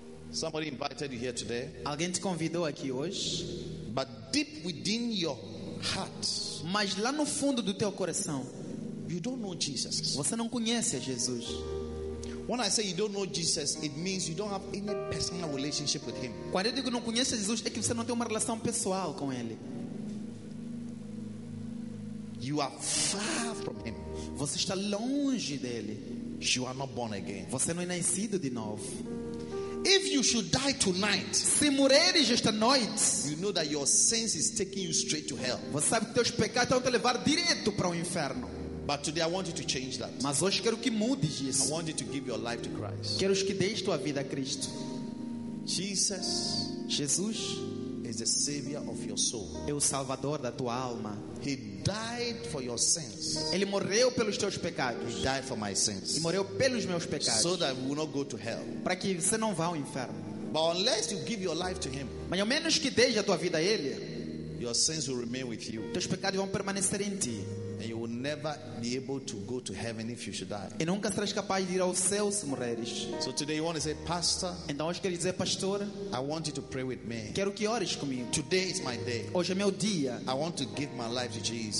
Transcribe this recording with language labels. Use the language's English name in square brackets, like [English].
[English] Somebody invited you here today. [Portuguese] Alguém te convidou aqui hoje. [English] But deep within your heart, [Portuguese] mas lá no fundo do teu coração, [English] you don't know Jesus. [Portuguese] Você não conhece a Jesus. [English] When I say you don't know Jesus, it means you don't have any personal relationship with him. [Portuguese] Quando eu digo não conhece Jesus, é que você não tem uma relação pessoal com ele. [English] You are far from him. [Portuguese] Você está longe dele. [English] You are not born again. [Portuguese] Você não é nascido de novo. [English] If you should die tonight, [Portuguese] se morreres esta noite, [English] you know that your sins is taking you straight to hell. [Portuguese] Você sabe que teus pecados vão te levar direto para o inferno. [English] But today I want you to change that. [Portuguese] Mas hoje quero que mude isso. [English] I want you to give your life to Christ. [Portuguese] Quero que deixe tua vida a Cristo. [English] Jesus, [Portuguese] Jesus [English] is the savior of your soul. [Portuguese] É o salvador da tua alma. [English] He died for your sins. [Portuguese] Ele morreu pelos teus pecados. [English] He died for my sins. [Portuguese] E morreu pelos meus pecados. [English] So that we will not go to hell. [Portuguese] Para que você não vá ao inferno. [English] But unless you give your life to him, [Portuguese] mas ao menos que dê a tua vida a ele, [English] your sins will remain with you. [Portuguese] Teus pecados vão permanecer em ti. [English] And you will never be able to go to heaven if you should die. [Portuguese] E nunca serás capaz de ir ao céu se morreres. [English] So today you want to say, Pastor? [Portuguese] Então hoje quero dizer, Pastor? [English] I want you to pray with me. [Portuguese] Quero que ores comigo. [English] Today is my day. [Portuguese] Hoje é meu dia. [English] I want to give my life to Jesus.